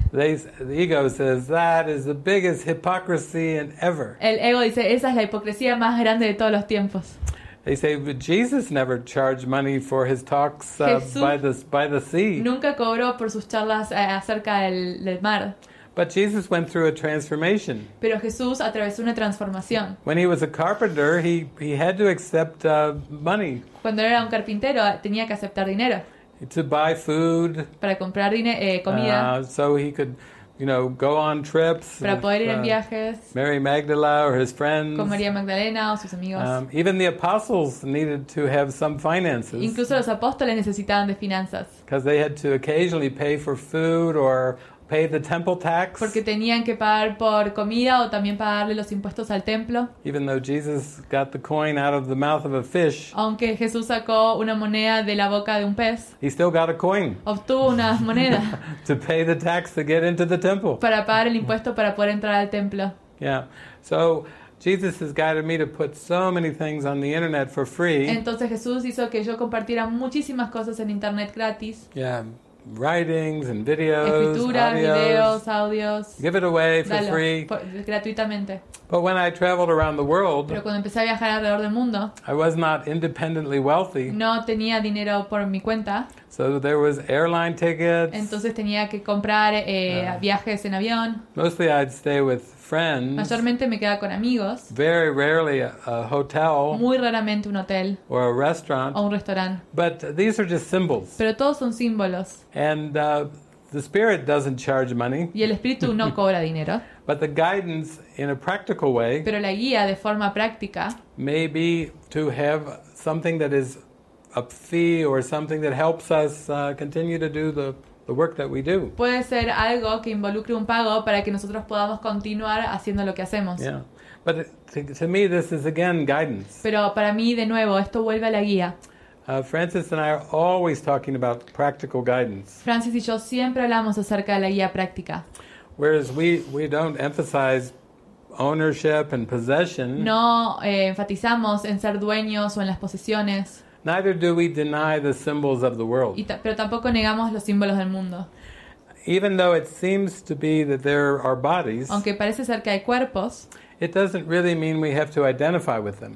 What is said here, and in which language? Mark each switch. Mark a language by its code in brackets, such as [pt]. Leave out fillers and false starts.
[en] The ego says that is the biggest hypocrisy in ever. [es] El ego dice esa es la hipocresía más grande de todos los tiempos. [en] They say but Jesus never charged money for his talks by the sea. [es] Nunca cobró por sus charlas acerca del mar. [en] But Jesus went through a transformation. [es] Pero Jesús atravesó una transformación. [en] When he was a carpenter, he had to accept money. [es] Cuando era un carpintero, tenía que aceptar dinero. [en] To buy food. [es] Para comprar comida. [en] So he could, you know, go on trips. [es] Para poder ir en viajes. [en] Mary Magdala or his friends. [es] Con María Magdalena o sus amigos. [en] Even the apostles needed to have some finances. [es] Incluso los apóstoles necesitaban de finanzas. [en] Because they had to occasionally pay for food or pay the temple tax. [es] Porque tenían que pagar por comida o también pagarle los impuestos al templo. [en] Even though Jesus got the coin out of the mouth of a fish. [es] Aunque Jesús sacó una moneda de la boca de un pez. [en] He still got a coin. [es] Obtuvo una moneda. [en] To pay the tax to get into the temple. [es] Para pagar el impuesto para poder entrar al templo. [en] Yeah. So Jesus has guided me to put so many things on the internet for free. [es] Entonces Jesús hizo que yo compartiera muchísimas cosas en internet gratis. [en] Yeah. writings and videos, [es] Escritura, videos, audios. [en] Give it away for free. [es] Gratuitamente. [en] But when I traveled around the world, [es] pero cuando empecé a viajar alrededor del mundo, [en] I was not independently wealthy. [es] No tenía dinero por mi cuenta. [en] So there was airline tickets. [es] Entonces tenía que comprar viajes en avión. [en] Mostly I'd stay with friends. [es] Mayormente me quedaba con amigos. [en] Very rarely a hotel. [es] Muy raramente un hotel. [en] Or a restaurant. [es] O un restaurante. [en] But these are just symbols. [es] Pero todos son símbolos. [en] And the spirit doesn't charge money. [es] Y el espíritu no cobra dinero. [en] But the guidance in a practical way. [es] Pero la guía de forma práctica. [en] Maybe to have something that is a fee or something that helps us continue to do the work that we do. [es] Puede ser algo que involucre un pago para que nosotros podamos continuar haciendo lo que hacemos. [en] Yeah. But to me this is again guidance. [es] Pero para mí de nuevo esto vuelve a la guía. [en] Francis and I are always talking about practical guidance. [es] Francis y yo siempre hablamos acerca de la guía práctica. [en] Whereas we don't emphasize ownership and possession. [es] No enfatizamos en ser dueños o en las posesiones. [en] Neither do we deny the symbols of the world. [es] Pero tampoco negamos los símbolos del mundo. [en] Even though it seems to be that there are bodies, [es] aunque parece ser que hay cuerpos, [en] it doesn't really mean we have to identify with them.